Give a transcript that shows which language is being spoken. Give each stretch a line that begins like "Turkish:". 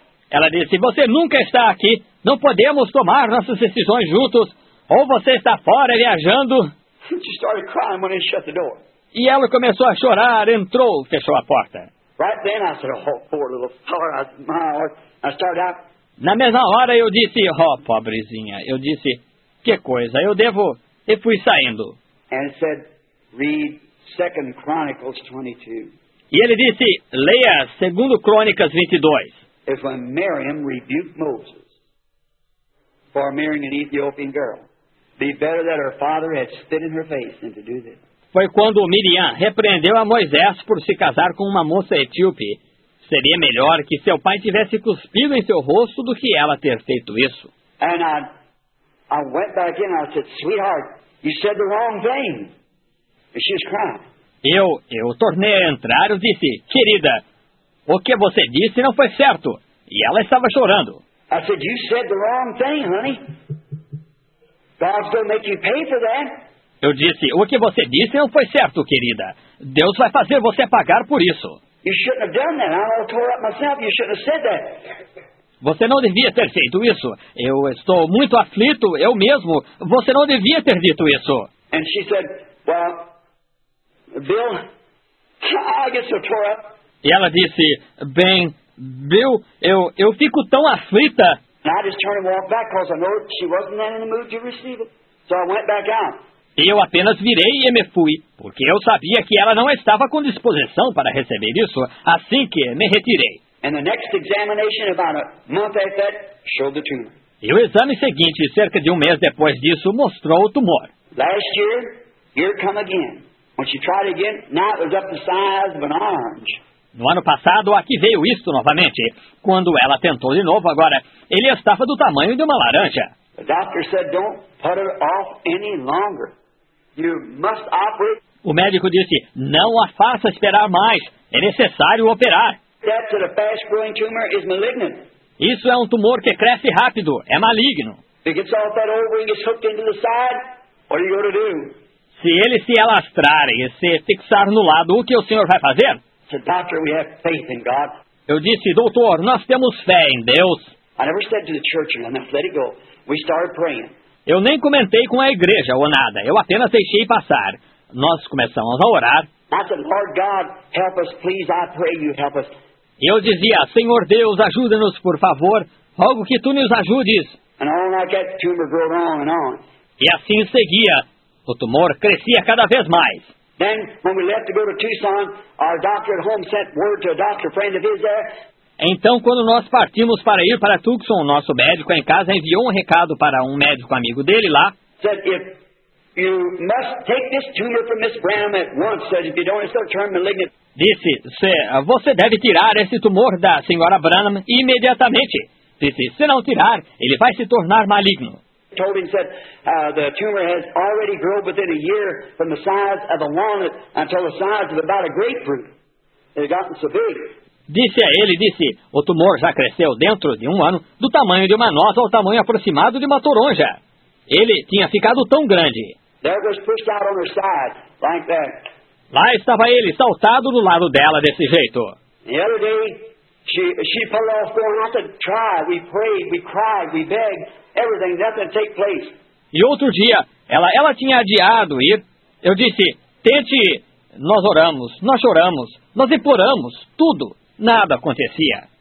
Portuguese: Ela disse, você nunca está aqui, não podemos tomar nossas decisões juntos, ou você está fora viajando.
English: She started crying when they shut the door.
Portuguese: E ela começou a chorar, entrou, fechou a porta.
English: Right then I said, oh, poor little fellow, my heart. I started out.
Portuguese: Na mesma hora eu disse, oh, pobrezinha, eu disse... Que coisa, eu devo... E fui saindo.
English: And said, read 2 Chronicles 22.
Portuguese: E ele disse, leia 2 Crônicas 22.
English: It's when Miriam rebuked Moses for marrying an Ethiopian girl. Be better that her father had spit in her face than to do this.
Portuguese: Foi quando Miriam repreendeu a Moisés por se casar com uma moça etíope. Seria melhor que seu pai tivesse cuspido em seu rosto do que ela ter feito isso.
English: And I went back in and I said, sweetheart, you said the wrong thing. And she was crying.
Portuguese: Eu tornei a entrar e disse, querida, o que você disse não foi certo. E ela estava chorando.
English: I said, you said the wrong thing, honey. God's going to make you pay for that.
Portuguese: Eu disse, o que você disse não foi certo, querida. Deus vai fazer você pagar por isso.
English: You shouldn't have done that. I all tore up myself. You shouldn't have said that.
Portuguese: Você não devia ter feito isso. Eu estou muito aflito, eu mesmo. Você não devia ter dito isso.
English: And she said, well, Bill, I get so tore up.
Portuguese: E ela disse, bem, Bill, eu fico tão aflita.
English: And I just turned and walked back because I know she wasn't in the mood to receive it. So I went back out.
Portuguese: E eu apenas virei e me fui, porque eu sabia que ela não estava com disposição para receber isso, assim que me retirei.
English: And the next examination, about a month after that, showed the tumor.
Portuguese: E o exame seguinte, cerca de 1 mês depois disso, mostrou o tumor.
English: Last year, here come again. When she tried again, now it was up the size of an orange.
Portuguese: No ano passado, aqui veio isso novamente. Quando ela tentou de novo, agora, ele estava do tamanho de uma laranja.
English: The doctor said, don't put it off any longer. You must operate.
Portuguese: O médico disse, não a faça esperar mais. É necessário operar.
English: That's a fast-growing tumor is malignant.
Portuguese: Isso é um tumor que cresce rápido, é maligno.
English: If it gets off that ovary and gets hooked into the side, what are you going to do?
Portuguese: Se ele se alastrar e se fixar no lado, o que o senhor vai fazer?
English: So, doctor, we have faith in God.
Portuguese: Eu disse, doutor, nós temos fé em Deus.
English: I never said to the church, I never let it go. We started praying.
Portuguese: Eu nem comentei com a igreja ou nada, eu apenas deixei passar. Nós começamos a orar.
English: I said, Lord God, help us, please, I pray you help us.
Portuguese: Eu dizia, Senhor Deus, ajuda-nos, por favor, rogo que tu nos ajudes.
English: And all like that tumor grew on and on.
Portuguese: E assim seguia, o tumor crescia cada vez mais.
English: Then, when we left to go to Tucson, our doctor at home sent word to a doctor friend of his there.
Portuguese: Então, quando nós partimos para ir para Tucson, nosso médico em casa enviou um recado para um médico amigo dele lá.
English: Said, if you must take this tumor from Miss Brown at once, said, if you don't, it's going to turn malignant.
Portuguese: Disse, você deve tirar esse tumor da senhora Branham imediatamente. Disse, se não tirar, ele vai se tornar maligno.
English: Told him, said, the tumor has already grown within a year from the size of a walnut until the size of about a grapefruit. It had gotten so big.
Portuguese: Disse a ele, disse, o tumor já cresceu dentro de 1 ano do tamanho de uma noz ao tamanho aproximado de uma toronja. Ele tinha ficado tão grande.
English: There was pushed out on her side, like that.
Portuguese: Lá estava ele, saltado do lado dela, desse jeito.
English: The other day, she pulled off going, I said, try, we prayed, we cried, we begged, everything, nothing take place.
Portuguese: E outro dia, ela tinha adiado ir. Eu disse, tente ir. Nós oramos, nós choramos, nós imploramos, tudo, nada acontecia.